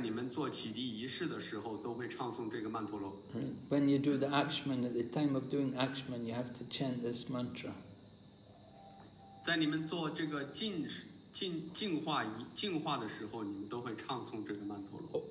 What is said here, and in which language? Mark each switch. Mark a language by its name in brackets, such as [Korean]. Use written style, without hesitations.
[Chinese] 你们大多数都听过这个曼陀罗，在你们做起立仪式的时候都会唱诵这个曼陀罗。 [English] When you do the akshman, at the time of doing akshman, you have to chant this mantra. [Chinese] 在你们做这个净化的时候，你们都会唱诵这个曼陀罗。